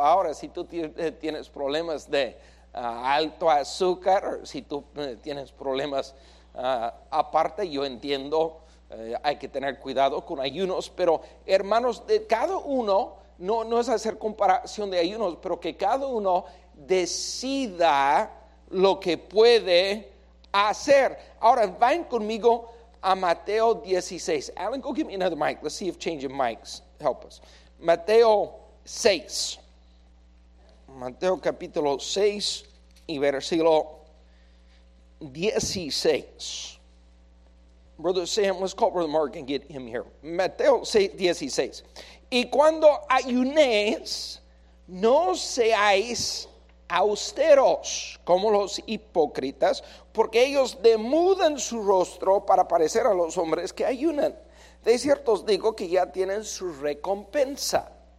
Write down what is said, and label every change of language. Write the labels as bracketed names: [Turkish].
[Spanish] Ahora, si tú tienes problemas de alto azúcar, si tú tienes problemas aparte, yo entiendo, hay que tener cuidado con ayunos, pero hermanos, de cada uno, no es hacer comparación de ayunos, pero que cada uno decida lo que puede hacer. Ahora, vayan conmigo a Mateo 16. [English] Alan, go give me another mic. Let's see if changing mics help us. [Spanish] Mateo 6. Mateo capítulo 6 y versículo 16. [English] Brother Sam, let's call Brother Mark and get him here. [Spanish] Mateo 6, 16. Y cuando ayunéis, no seáis austeros como los hipócritas, porque ellos demudan su rostro para parecer a los hombres que ayunan. De cierto os digo que ya tienen su recompensa.